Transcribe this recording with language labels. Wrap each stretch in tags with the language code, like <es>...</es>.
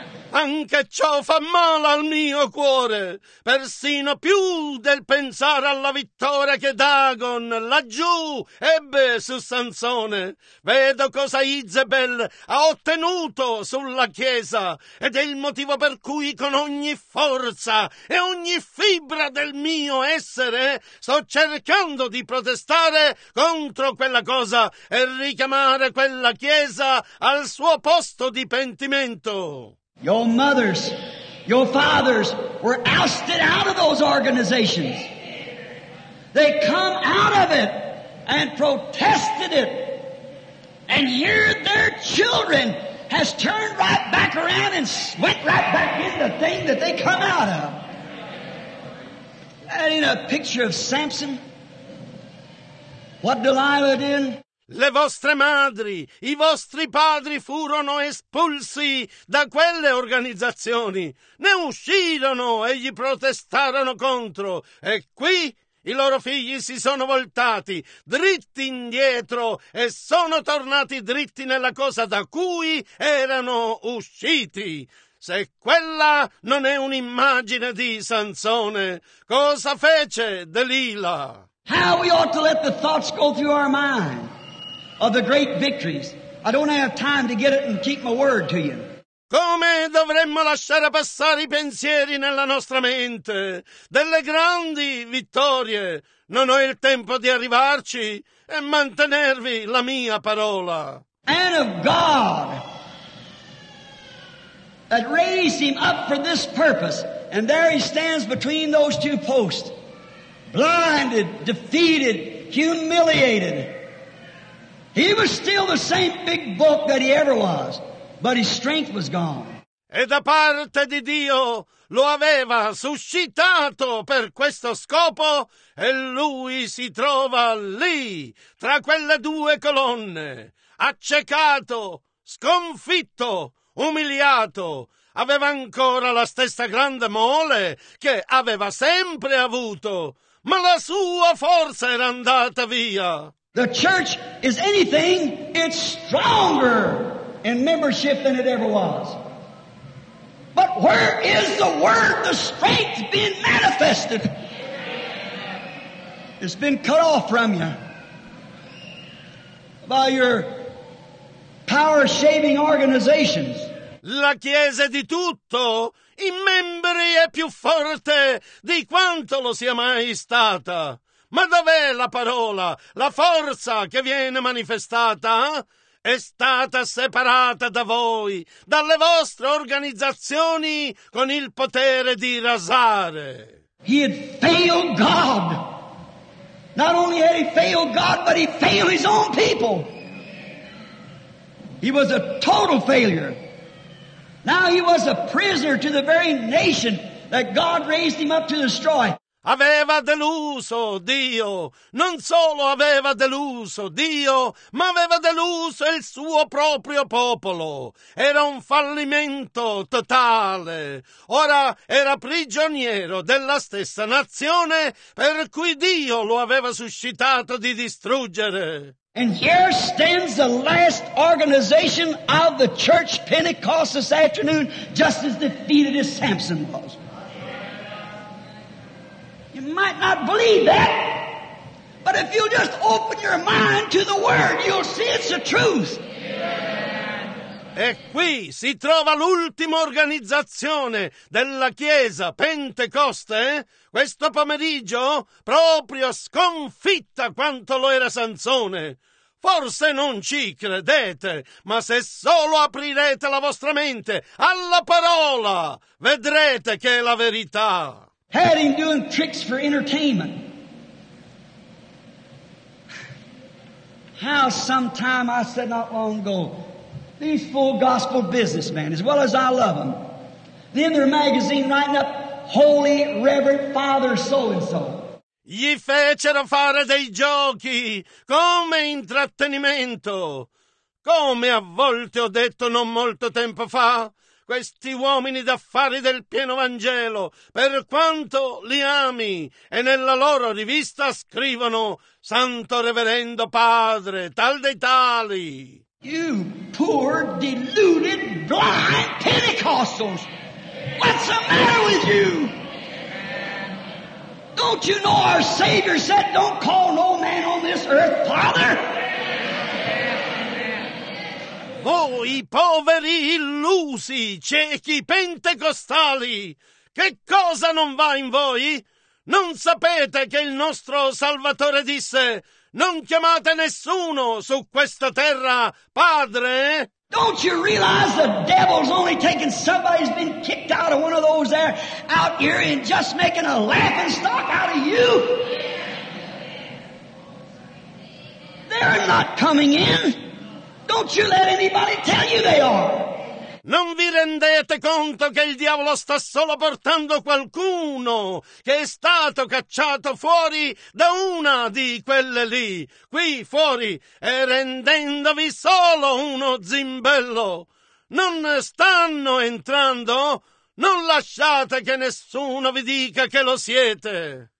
<it>Anche ciò fa male al mio cuore, persino più del pensare alla vittoria che Dagon laggiù ebbe su Sansone. Vedo cosa Izebel ha ottenuto sulla Chiesa ed è il motivo per cui con ogni forza e ogni fibra del mio essere sto cercando di protestare contro quella cosa e richiamare quella Chiesa al suo posto di pentimento.</it> <en>Your mothers, your fathers were ousted out of those organizations. They come out of it and protested it. And here their children has turned right back around and went right back in the thing that they come out of. That ain't a picture of Samson. What Delilah did.</en> <it>Le vostre madri, i vostri padri furono espulsi da quelle organizzazioni. Ne uscirono e gli protestarono contro. E qui i loro figli si sono voltati dritti indietro e sono tornati dritti nella cosa da cui erano usciti. Se quella non è un'immagine di Sansone, cosa fece Delila?</it> <en>How we ought to let the thoughts go through our mind of the great victories. I don't have time to get it and keep my word to you.</en> <it>Come dovremmo lasciare passare i pensieri nella nostra mente delle grandi vittorie? Non ho il tempo di arrivarci e mantenervi la mia parola.</it> <en>And of God that raised him up for this purpose, and there he stands between those two posts, blinded, defeated, humiliated. He was still the same big book that he ever was, but his strength was gone.</en> <it>E da parte di Dio lo aveva suscitato per questo scopo e lui si trova lì, tra quelle due colonne, accecato, sconfitto, umiliato. Aveva ancora la stessa grande mole che aveva sempre avuto, ma la sua forza era andata via.</it> <en>The church is anything, it's stronger in membership than it ever was. But where is the word, the strength being manifested? It's been cut off from you by your power. power-shaving organizations.</en> <it>La Chiesa è di tutto, i membri è più forte di quanto lo sia mai stata. Ma dov'è la parola, la forza che viene manifestata? È stata separata da voi, dalle vostre organizzazioni, con il potere di rasare.</it> <en>He had failed God. Not only had he failed God, but he failed his own people. He was a total failure. Now he was a prisoner to the very nation that God raised him up to destroy.</en> <it>Aveva deluso Dio, non solo aveva deluso Dio, ma aveva deluso il suo proprio popolo. Era un fallimento totale. Ora era prigioniero della stessa nazione per cui Dio lo aveva suscitato di distruggere.</it> <en>And here stands the last organization of the church Pentecost this afternoon, just as defeated as Samson was. You might not believe that, but if you'll just open your mind to the Word, you'll see it's the truth.</en> <it>E qui si trova l'ultima organizzazione della Chiesa Pentecoste, questo pomeriggio, proprio sconfitta quanto lo era Sansone. Forse non ci credete, ma se solo aprirete la vostra mente alla parola, vedrete che è la verità.</it> <en>Had him doing tricks for entertainment. How sometime I said not long ago, these full gospel businessmen, as well as I love them, then their magazine writing up holy, reverend father so-and-so.</en> <it>Gli fecero fare dei giochi come intrattenimento. Come a volte ho detto non molto tempo fa, questi uomini d'affari del pieno Vangelo, per quanto li ami, e nella loro rivista scrivono Santo Reverendo Padre, tal dei tali.</it> <en>You poor, deluded, blind Pentecostals! What's the matter with you? Don't you know our Savior said, don't call no man on this earth father?</en> <it>Voi poveri illusi, ciechi pentecostali, che cosa non va in voi? Non sapete che il nostro Salvatore disse, non chiamate nessuno su questa terra padre?</it> <en>Don't you realize the devil's only taking somebody who's been kicked out of one of those there out here and just making a laughing stock out of you? They're not coming in. Don't you let anybody tell you they are.</en> <it>Non vi rendete conto che il diavolo sta solo portando qualcuno che è stato cacciato fuori da una di quelle lì, qui fuori, e rendendovi solo uno zimbello? Non stanno entrando? Non lasciate che nessuno vi dica che lo siete.</it>